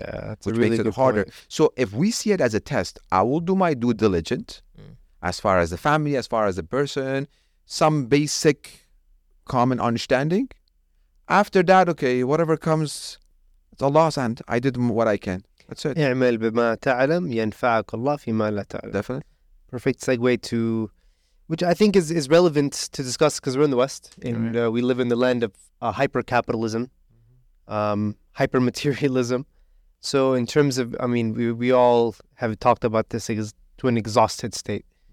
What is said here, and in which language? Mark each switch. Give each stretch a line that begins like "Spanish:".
English: Yeah, that's a really good point. Which makes it harder. So if we see it as a test, I will do my due diligence as far as the family, as far as the person, some basic common understanding. After that, okay, whatever comes, it's Allah's hand. I did what I can. That's it.
Arabic: اعمل بما تعلم ينفعك الله فيما لا تعلم.
English: Definitely. Perfect segue to... which I think is relevant to discuss because we're in the West and we live in the land of hyper-capitalism, hyper-materialism. So in terms of, I mean, we all have talked about this to an exhausted state.